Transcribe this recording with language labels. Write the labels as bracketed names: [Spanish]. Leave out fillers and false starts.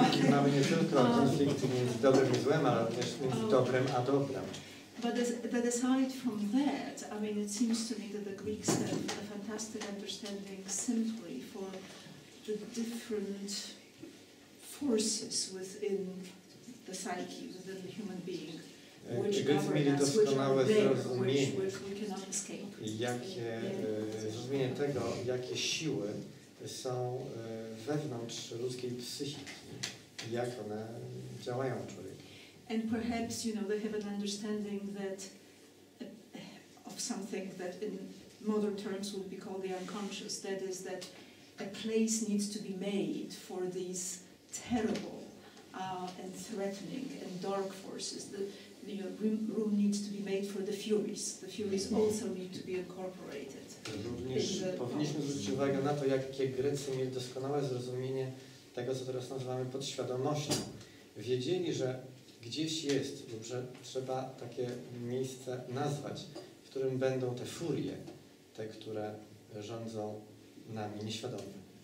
[Polish] Mamy nie tylko konflikt między dobrym i złem, ale również między dobrem a dobrem. [English] But that aside from that, I mean, it seems to me that the Greeks have a fantastic understanding simply for the different forces within the psyche, within the human being. [Polish] Grecy mieli doskonałe zrozumienie, jakie zrozumienie tego, jakie siły są wewnątrz ludzkiej psychiki, jak one działają w człowieku. [English] And perhaps, you know, they have an understanding that of something that in modern terms would be called the unconscious, that is that a place needs to be made for these terrible and threatening and dark forces. The room needs to be made for the Furies. The Furies also need to be incorporated. [Polish] Również powinniśmy zwrócić uwagę na to, jakie Grecy mieli doskonałe zrozumienie tego, co teraz nazywamy podświadomością. Wiedzieli, że gdzieś jest, bo trzeba takie miejsce nazwać, w którym będą te Furie, te, które rządzą nami nieświadomie.